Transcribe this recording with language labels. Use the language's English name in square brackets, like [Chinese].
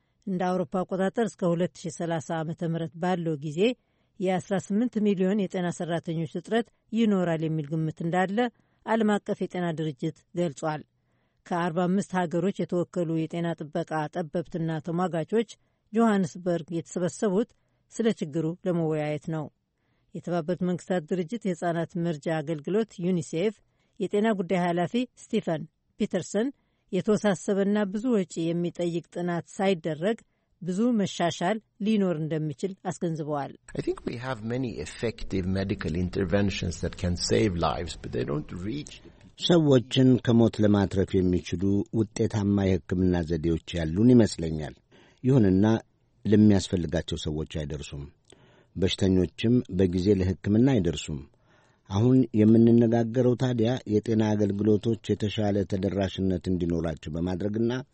[Amharic] እንደ አውሮፓ አቆጣጠር እስከ 2030 ዓመተ ምህረት ባለው ጊዜ የ18 ሚሊዮን የጤና ሰራተኞች እጥረት ይኖራል የሚል ግምት እንዳለ ዓለም አቀፍ የጤና ድርጅት ገልጿል። ከ45 ሀገሮች የተወከሉ የጤና ጥበቃ ጠበብትና ተሟጋቾች ጆሃንስበርግ የተሰበሰቡት ስለ ችግሩ ለመወያየት ነው። የተባበሩት መንግስታት ድርጅት የሕፃናት መርጃ አገልግሎት ዩኒሴፍ የጤና ጉዳይ ኃላፊ ስቲፈን ፒተርሰን የተወሳሰበና ብዙ ወጪ የሚጠይቅ ጥናት ሳይደረግ ብዙ መሻሻል ሊኖር እንደሚችል አስገንዝበዋል። [English] I think we have many effective medical interventions that can save lives, but they don't reach [Amharic] ሰዎችን ከሞት ለማትረፍ የሚችሉ ውጤታማ የሕክምና ዘዴዎች ያሉን ይመስለኛል። ይሁንና ለሚያስፈልጋቸው ሰዎች አይደርሱም። በሽተኞችም በጊዜ ለሕክምና አይደርሱም። አሁን የምንነጋገረው ታዲያ የጤና አገልግሎቶች የተሻለ ተደራሽነት እንዲኖራቸው በማድረግና